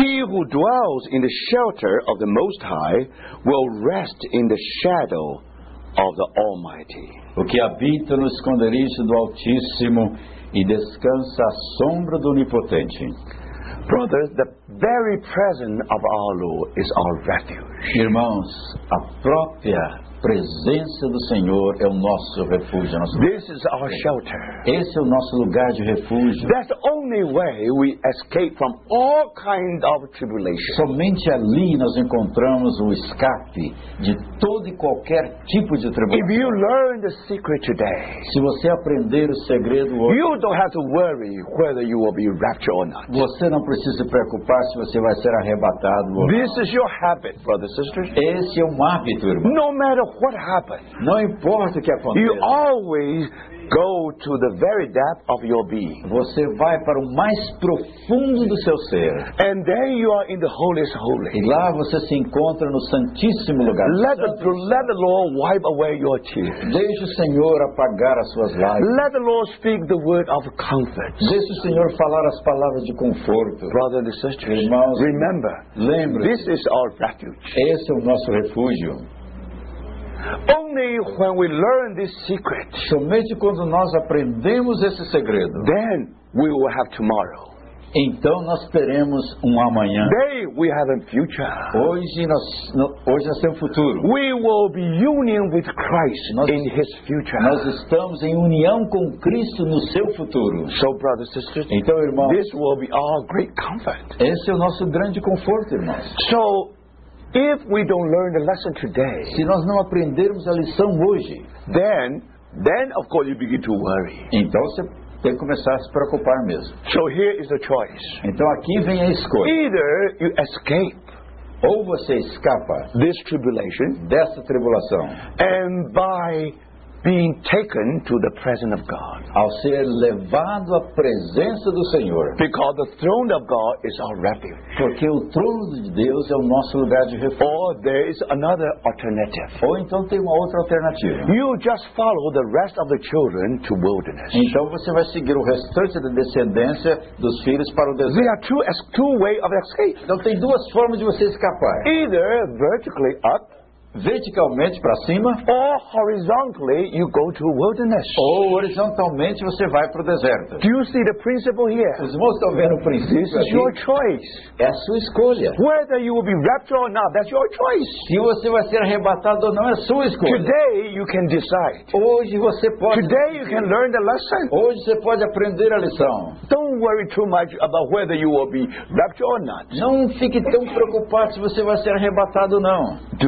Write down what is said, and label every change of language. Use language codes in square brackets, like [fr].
[en] Who dwells in the shelter of the Most High will rest in the shadow of the Almighty. [pt] O que habita no esconderijo do Altíssimo e descansa à sombra do Onipotente. [en] Brothers, the very presence of our Lord is our refuge. [pt] Irmãos, a própria presença do Senhor é o nosso refúgio. [en] This is our shelter. [pt] Esse é o nosso lugar de refúgio. [en] That's the only way we escape from all kinds of tribulation. [pt] Somente ali nós encontramos o escape de todo e qualquer tipo de tribulação. [en] If you learn the secret today, [pt] se você aprender o segredo hoje, [en] you don't have to worry whether you will be raptured or not. [pt] Você não precisa se preocupar se você vai ser arrebatado ou não. [en] This is your habit, brothers and sisters. [pt] Esse é um hábito, irmão. [en] No matter what happens, [pt] não importa o que aconteça, [en] you always go to the very depth of your being. [pt] Você vai para o mais profundo do seu ser. [en] And there you are in the holiest holy. [pt] E lá você se encontra no santíssimo lugar. [en] Let the Lord wipe away your tears. [pt] Deixe o Senhor apagar as suas lágrimas. [en] Let the Lord speak the word of comfort. [pt] Deixe o Senhor falar as palavras de conforto. [en] Brother and sister, [pt] irmãos, [en] remember, [pt] lembre-se, [en] this is our refuge. [pt] Esse é o nosso refúgio. [en] Only when we learn this secret, [pt] somente quando nós aprendemos esse segredo, [en] then we will have tomorrow. [pt] Então nós teremos amanhã. [en] Today we have a future. [pt] Hoje nós temos futuro. [en] We will be union with Christ in His future. [pt] Nós estamos em união com Cristo no seu futuro. [en] So brothers and sisters, [pt] então irmãos, [en] this will be our great comfort. [pt] Esse é o nosso grande conforto, irmãos. [en] So if we don't learn the lesson today, [pt] se nós não aprendermos a lição hoje, [en] then of course you begin to worry. [pt] Então você tem que começar a se preocupar mesmo. [en] So here is the choice. [pt] Então aqui vem a escolha. [en] Either you escape, [pt] ou você escapa [en] this tribulation, [pt] dessa tribulação, [en] and by being taken to the presence of God, [pt] ao ser levado à presença do Senhor, [en] because the throne of God is our refuge, [pt] porque o trono de Deus é o nosso lugar de refúgio. [en] Or there is another alternative. [pt] Ou então tem uma outra alternativa. [en] You just follow the rest of the children to wilderness. [pt] Então você vai seguir o restante da descendência dos filhos para o deserto. [en] There are two ways of escape. [pt] Então tem duas formas de você escapar. [en] Either vertically up, [pt] verticalmente para cima, [en] or horizontally you go to a wilderness. [pt] Ou horizontalmente você vai para o deserto. [en] Do you see the principle here? [pt] Os irmãos estão vendo o princípio? [en] This is your choice. [pt] É a sua escolha. [en] Whether you will be raptured or not, that's your choice. [pt] Se você vai ser arrebatado ou não, é a sua escolha. [en] Today you can decide. [pt] Hoje você pode. [en] Today you can learn the lesson. [pt] Hoje você pode aprender a lição. [en] Don't worry too much about whether you will be raptured or not. [pt] Não fique tão preocupado se você vai ser arrebatado ou não.